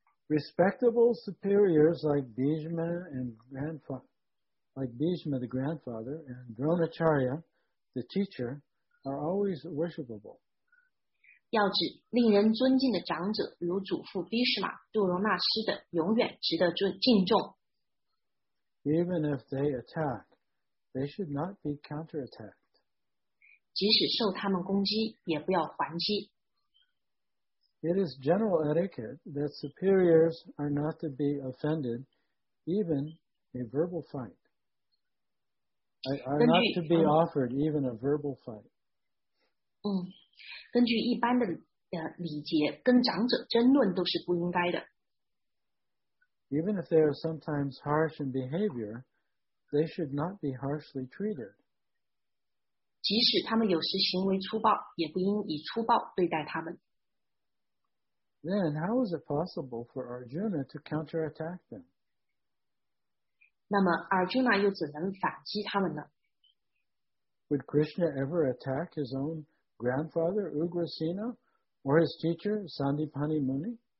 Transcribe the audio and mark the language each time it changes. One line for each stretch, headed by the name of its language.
English: Respectable superiors like Bhishma and Bhishma the grandfather and Dronacharya the teacher are always worshipable.
Chinese: 要指令人尊敬的长者如祖父 Bhishma 杜荣那师的永远值得敬重。
English: Even if they attack, they should not be counterattacked.
Chinese: 即使受他们攻击也不要还击。
English: It is general etiquette that superiors are not to be offended, even a verbal fight. Are not to be offered even a verbal fight.
Chinese: 根据一般的礼节，跟长者争论都是不应该的。
English: Even if they are sometimes harsh in behavior, they should not be harshly treated.
Chinese: 即使他们有时行为粗暴，也不应以粗暴对待他们。
English: Then how is it possible for Arjuna to counterattack them?
Chinese: 那么 Arjuna 又怎能反击他们呢?
English: Would Krishna ever attack his own grandfather Ugrasena or his teacher Sandipani Muni?